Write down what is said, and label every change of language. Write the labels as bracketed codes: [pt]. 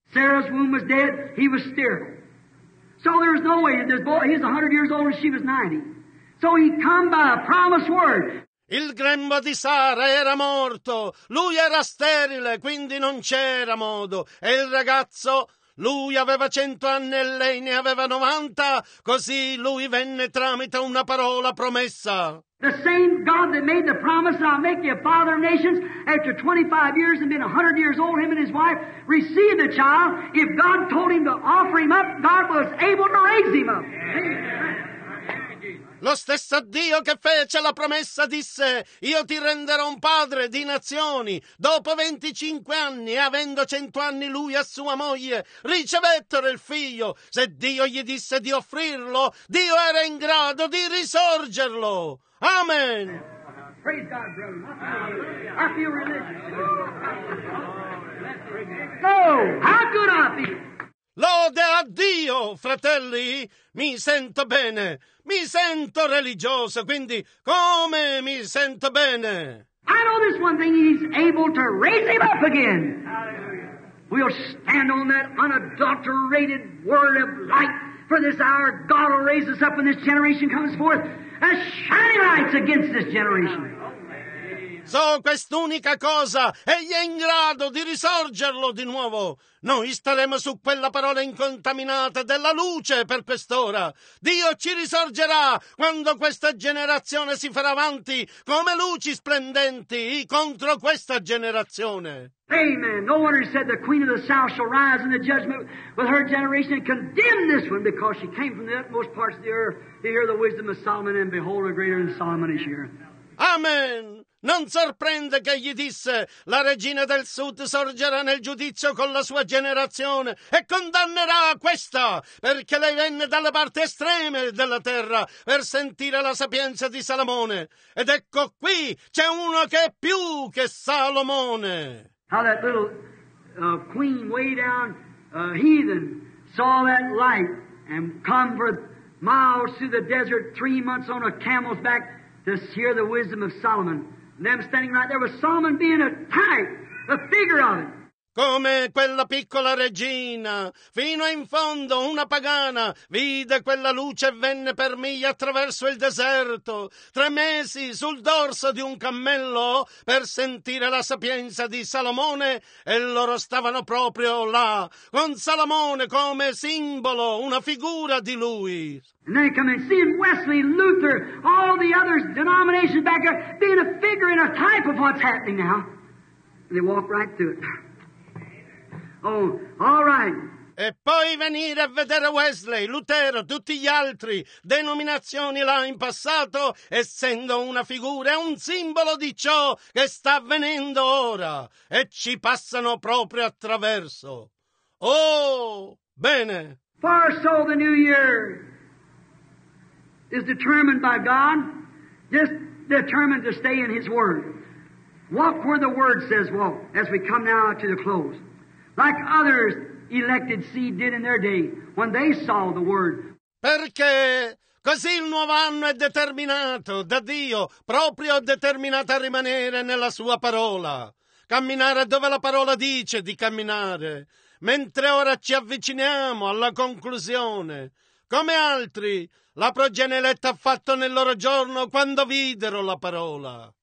[en] Sarah's womb was dead, he was sterile. So there's no way, this boy, he's 100 years old and she was 90. So he come by a promised word. [it] Il grembo di Sara era morto, lui era sterile, quindi non c'era modo. E il ragazzo, lui aveva 100 anni e lei ne aveva 90, così lui venne tramite una parola promessa. [en] The same God that made the promise, I'll make you a father of nations, after 25 years and been 100 years old, him and his wife received the child. If God told him to offer him up, God was able to raise him up. [it] Lo stesso Dio che fece la promessa disse: io ti renderò un padre di nazioni. Dopo 25 anni, avendo 100 anni lui e sua moglie, ricevettero il figlio. Se Dio gli disse di offrirlo, Dio era in grado di risorgerlo. [en] Amen. Praise God, brother. Amen. I feel religious. Oh, how good I feel. [it] Lode a Dio, fratelli. Mi sento bene. Mi sento religioso, quindi come mi sento bene? [en] I know this one thing, he's able to raise him up again. Hallelujah. We'll stand on that unadulterated word of light, for this hour God will raise us up when this generation comes forth as shining lights against this generation. [it] So quest'unica cosa, egli è in grado di risorgerlo di nuovo. Noi staremo su quella parola incontaminata della luce per quest'ora. Dio ci risorgerà quando questa generazione si farà avanti come luci splendenti contro questa generazione. [en] Amen. No wonder he said the queen of the south shall rise in the judgment with her generation and condemn this one, because she came from the utmost parts of the earth to hear the wisdom of Solomon, and behold, a greater than Solomon is here. Amen. [it] Non sorprende che gli disse: la regina del sud sorgerà nel giudizio con la sua generazione e condannerà questa, perché lei venne dalle parti estreme della terra per sentire la sapienza di Salomone. Ed ecco qui c'è uno che è più che Salomone. [en] How that little queen way down heathen saw that light and come for miles through the desert 3 months on a camel's back to hear the wisdom of Solomon. Them standing right there with Solomon being a type, a figure of it. [it] Come quella piccola regina, fino in fondo una pagana, vide quella luce e venne per miglia attraverso il deserto, 3 mesi sul dorso di un cammello, per sentire la sapienza di Salomone, e loro stavano proprio là, con Salomone come simbolo, una figura di lui. [en] And then come and see Wesley, Luther, all the other denominations back there, being a figure and a type of what's happening now. And they walk right through it. Oh, all right. [it] E poi venire a vedere Wesley, Lutero, tutti gli altri, denominazioni là in passato, essendo una figura, un simbolo di ciò che sta avvenendo ora, e ci passano proprio attraverso. Oh, bene. [en] Far so the new year is determined by God, just determined to stay in his word. Walk where the word says walk, as we come now to the close. Like others elected seed did in their day when they saw the word. [it] Perché così il nuovo anno è determinato da Dio, proprio determinato a rimanere nella sua parola, camminare dove la parola dice di camminare, mentre ora ci avviciniamo alla conclusione. Come altri, la progenie eletta ha fatto nel loro giorno quando videro la parola.